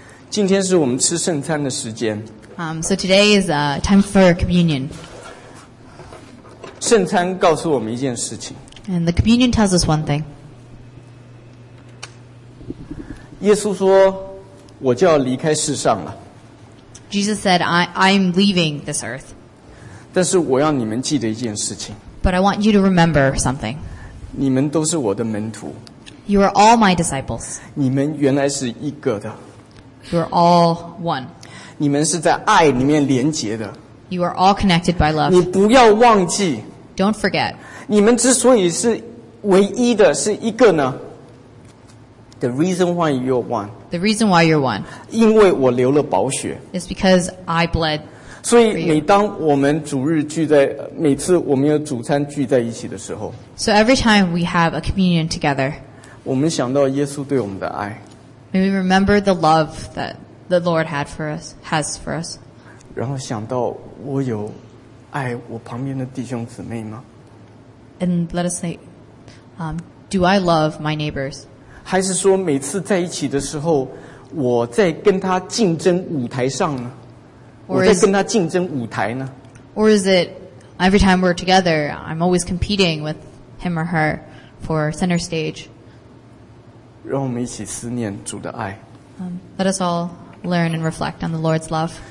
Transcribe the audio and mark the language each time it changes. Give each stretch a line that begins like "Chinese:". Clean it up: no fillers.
Chinese: 今天是我们吃圣餐的时间
English: so today is time for communion
Chinese: 圣餐告诉我们一件事情
English: and the communion tells us one thing
Chinese: 耶稣说我就要离开世上了
English: Jesus said I'm leaving this earth
Chinese: 但是我要你们记得一件事情
English: But I want you to remember something
Chinese: 你们都是我的门徒
English: You are all my disciples
Chinese: 你们原来是一个的
English: You are all one
Chinese: 你们是在爱里面连结的
English: You are all connected by love
Chinese: 你不要忘记
English: Don't forget
Chinese: 你们之所以是唯一的是一个呢
English: The reason why you're one. The reason why you're one.
Chinese: 因为我流了宝血。
English: It's because I bled.
Chinese: 所以每当我们主日聚在，每次我们有主餐聚在一起的时候。
English: So every time we have a communion together.
Chinese: 我们想到耶稣对我们的爱。
English: May we remember the love that the Lord has for us.
Chinese: 然后想到我有爱我旁边的弟兄姊妹吗？
English: And let us say, do I love my neighbors?
Chinese: 还是说每次在一起的时候我在跟他竞争舞台上呢
English: or is,
Chinese: 我在跟他竞争舞台呢
English: Or is it every time we're together I'm always competing with him or her for center stage
Chinese: 让我们一起思念主的爱
English: Let us all learn and reflect on the Lord's love